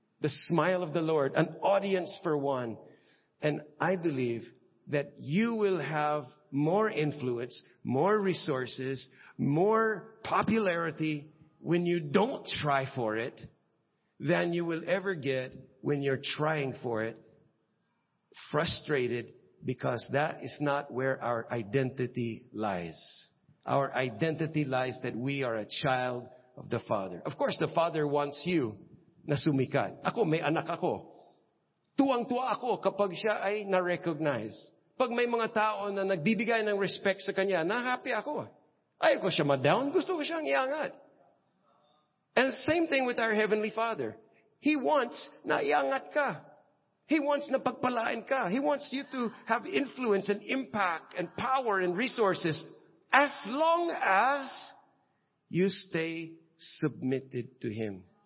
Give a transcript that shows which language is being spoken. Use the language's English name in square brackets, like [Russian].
[English] The smile of the Lord, an audience for one. And I believe that you will have more influence, more resources, more popularity when you don't try for it than you will ever get when you're trying for it, frustrated, because that is not where our identity lies. Our identity lies that we are a child of the Father. Of course, the Father wants you [Filipino] na sumikat. Ako, may anak ako. Tuwang-tuwa ako kapag siya ay na-recognize. Pag may mga tao na nagbibigay ng respect sa kanya, na-happy ako. Ayaw ko siya ma-down. Gusto ko siyang iangat. [English] And same thing with our Heavenly Father. He wants [Filipino] na iangat ka. [English] He wants [Filipino] na pagpalain ka. [English] He wants you to have influence and impact and power and resources as long as you stay submitted to Him.